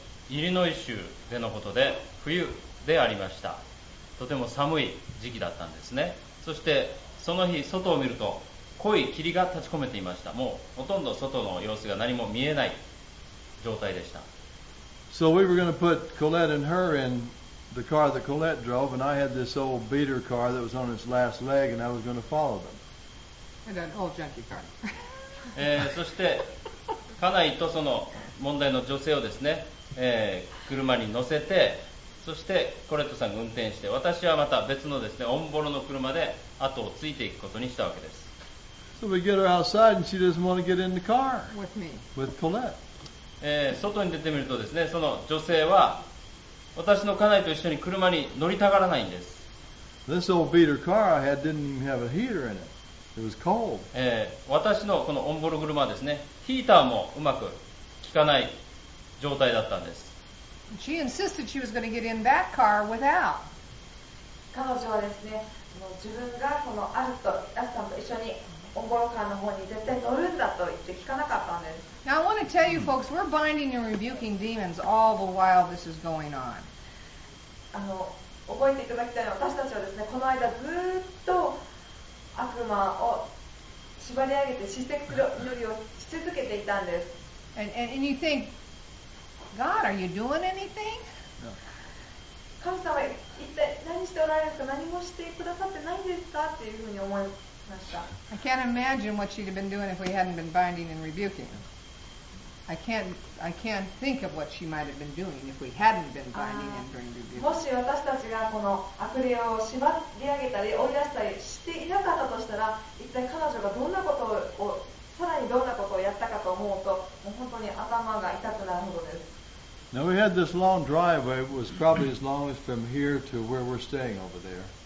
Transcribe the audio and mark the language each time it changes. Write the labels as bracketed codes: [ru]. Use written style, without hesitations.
[ja] イリノイ州でのことで、冬でありました。とても寒い時期だったんですね。そして、その日、外を見ると、濃い霧が立ち込めていました。もうほとんど外の様子が何も見えない状態でした。 [en] So we were going to put Colette and her in the car that Colette drove, and I had this old beater car that was on its last leg, and I was going to follow them. And an old junky car. [ja] そして家内とその問題の女性をですね、車に乗せて、そしてコレットさんが運転して、私はまた別のですね、オンボロの車で後をついていくことにしたわけです。 [en] So we get her outside and she doesn't want to get in the car with me. With Colette. [ja] 外に出てみるとですね、その女性は私の家内と一緒に車に乗りたがらないんです。 [en] This old beater car I had didn't even have a heater in it. It was cold. [ja] 私のこのオンボロ車はですね、ヒーターもうまく効かない状態だったんです。 [en] She insisted she was going to get in that car without. [ja] 彼女はですね、もう自分がこのアルとラスさんと一緒にオンボロカーの方に絶対乗るんだと言って聞かなかったんです。 [en] Now I want to tell you folks, we're binding and rebuking demons all the while this is going on. [ja] あの、覚えていただきたいのは、私たちはですね、この間ずっと悪魔を縛り上げて叱責する祈りをし続けていたんです。 [en] And you think, God, are you doing anything? [ja] 神様は一体何しておられるか何もしてくださってないですかっていうふうに思いました。 [en] I can't imagine what she'd have been doing if we hadn't been binding and rebuking. I can't think of what she might have been doing if we hadn't been binding and rebuking. [ja] もし私たちがこの悪霊を縛り上げたり追い出したりしていなかったとしたら、一体彼女がどんなことをさらにどんなことをやったかと思うと、もう本当に頭が痛くなるほどです。 [en] Now we had this long driveway. It was probably as long as from here to where we're staying over there.